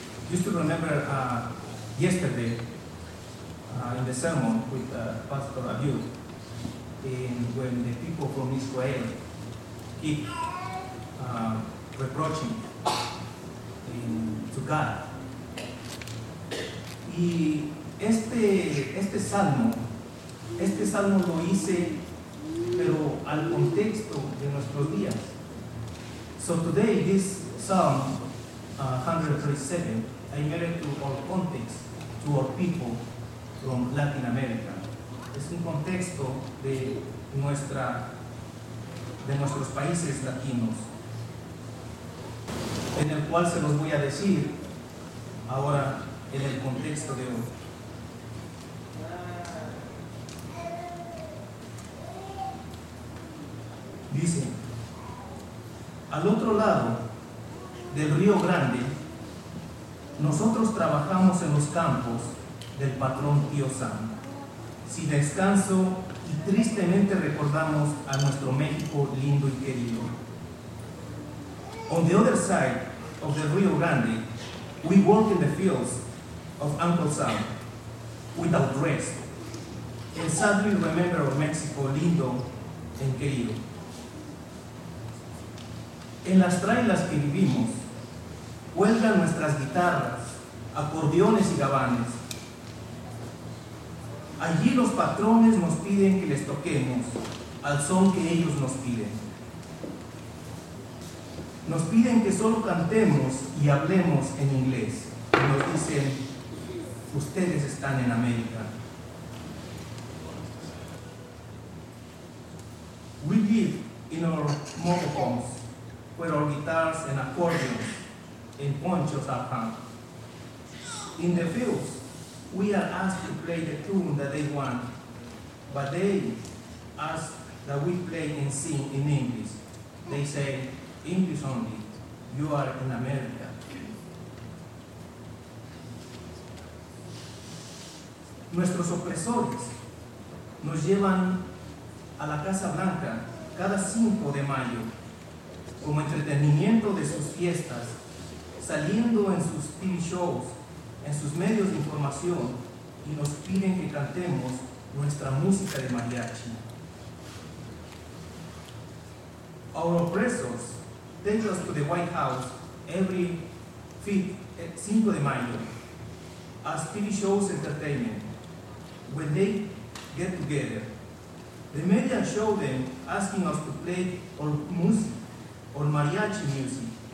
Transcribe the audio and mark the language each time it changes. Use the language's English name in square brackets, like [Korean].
[English] Just to remember yesterday in the sermon with Pastor Abiud, when the people from Israel keep reproaching to God. [Spanish] Y este salmo lo hice, pero al contexto de nuestros días. [English] So today, this Psalm 137, I made it to our context, to our people from Latin America. [Spanish] Es un contexto de nuestros países latinos, en el cual se los voy a decir ahora en el contexto de hoy. Dice: al otro lado del río grande, nosotros trabajamos en los campos del patrón Tío Sam, sin descanso, y tristemente recordamos a nuestro México lindo y querido. [English] On the other side of the Rio Grande, we work in the fields of Uncle Sam without rest, and sadly remember our Mexico lindo and querido. [Spanish] En las trailas que vivimos, cuelgan nuestras guitarras, acordeones y gabanes. Allí los patrones nos piden que les toquemos al son que ellos nos piden. Nos piden que solo cantemos y hablemos en inglés. Y nos dicen: ustedes están en América. [English] We live in our mobile homes, where our guitars and accordions and ponchos are hung. In the fields, we are asked to play the tune that they want, but they ask that we play and sing in English. They say, English only, you are in America. [Spanish] Nuestros opresores nos llevan a la Casa Blanca cada 5 de mayo como entretenimiento de sus fiestas, saliendo en sus TV shows, en sus medios de información, y nos piden que cantemos nuestra música de mariachi. [English] Our oppressors take us to the White House every 5 de mayo as TV shows entertainment. When they get together, the media show them asking us to play our music, or mariachi music.